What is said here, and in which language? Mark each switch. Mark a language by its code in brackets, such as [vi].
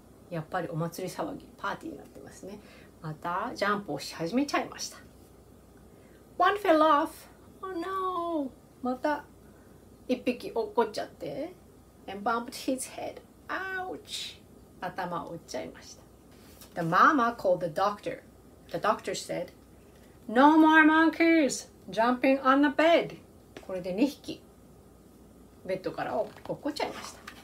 [ja] やっぱりお祭り騒ぎ、パーティーになってますね。またジャンプをし始めちゃいました。 [en] One fell off. Oh no! [ja] また一匹落っこっちゃって、 [en] and bumped his head. Ouch! [ja] 頭を打っちゃいました。 [en] The mama called the doctor. The doctor said, No more monkeys! jumping on the bed. [ja] これで2匹ベッドから落っこちゃいました。